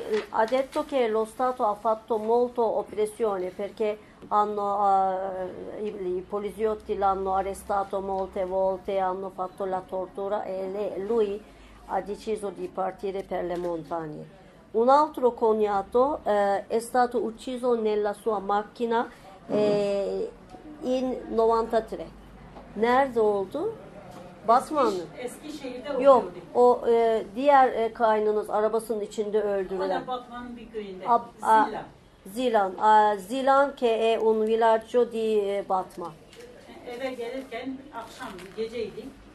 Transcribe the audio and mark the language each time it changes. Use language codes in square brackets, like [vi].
[it] Ha detto che lo Stato ha fatto molto oppressione perché hanno, i poliziotti l'hanno arrestato molte volte, hanno fatto la tortura e lui ha deciso di partire per le montagne. Un altro cognato è stato ucciso nella sua macchina in 93. [tr] Nerede oldu? Batman'ın. Eskişehir'de oldu. Yok, o diğer kaynınız arabasının içinde öldürülen. Hala Batman'ın bir köyünde. Zilan. [it] Zilan ki un villaggio di Batman. [tr] Eve gelirken akşam geceydi.